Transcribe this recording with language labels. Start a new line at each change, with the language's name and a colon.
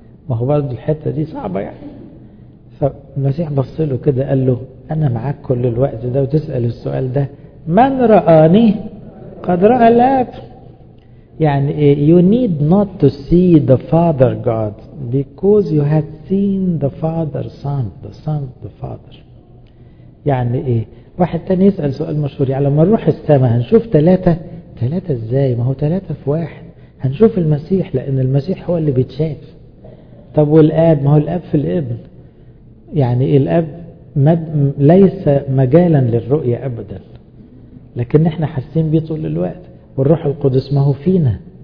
Arabic: ما هو برضه الحتة دي صعبة يعني. فالمسيح بص له كده قال له أنا معاك كل الوقت ده وتسأل السؤال ده، من رآني قد رأى الآب. يعني
English: you need not to see the Father God because you had seen the Father Son, the Son the Father.
Arabic: يعني إيه؟ واحد تاني يسأل سؤال مشهور، يعني لما نروح السماء هنشوف ثلاثة؟ ثلاثة إزاي؟ ما هو ثلاثة في واحد. هنشوف المسيح لأن المسيح هو اللي بيتشاف. طب والآب؟ ما هو الآب في الابن. يعني الآب ليس مجالا للرؤية أبدا، لكن احنا حاسين بيه طول الوقت، والروح القدس ما هو فينا.